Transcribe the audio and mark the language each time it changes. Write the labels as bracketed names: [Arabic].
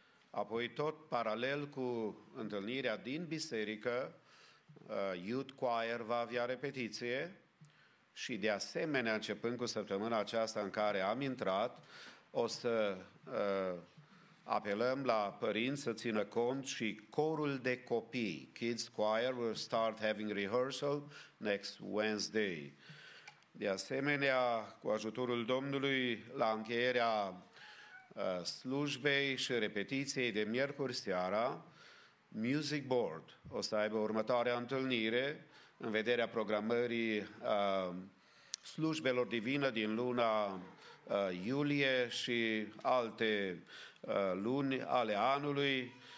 [Romanian] Apoi, tot paralel cu întâlnirea din biserică, Youth Choir va avea repetiție și, de asemenea, începând cu săptămâna aceasta în care am intrat, o să apelăm la părinți să țină cont și corul de copii. [English] Kids Choir will start having rehearsal next Wednesday. [Romanian] De asemenea, cu ajutorul Domnului, la încheierea slujbei și repetiției de miercuri seara, Music Board o să aibă următoarea întâlnire în vederea programării slujbelor divine din luna iulie și alte luni ale anului.